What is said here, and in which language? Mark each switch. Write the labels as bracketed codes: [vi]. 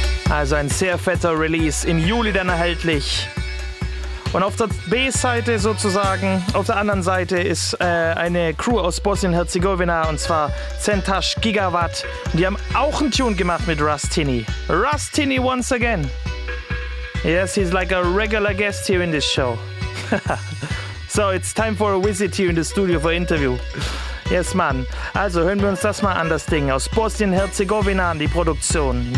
[de] Also ein sehr fetter Release, im Juli dann erhältlich. Und auf der B-Seite sozusagen, auf der anderen Seite ist eine Crew aus Bosnien-Herzegowina, und zwar Zentash Gigawatt. Und die haben auch einen Tune gemacht mit Rustini. [en] Rustini once again. Yes, he's like a regular guest here in this show. So, it's time for a visit here in the studio for interview. Yes, man. [de] Also, hören wir uns das mal an, das Ding. Aus Bosnien-Herzegowina an die Produktion.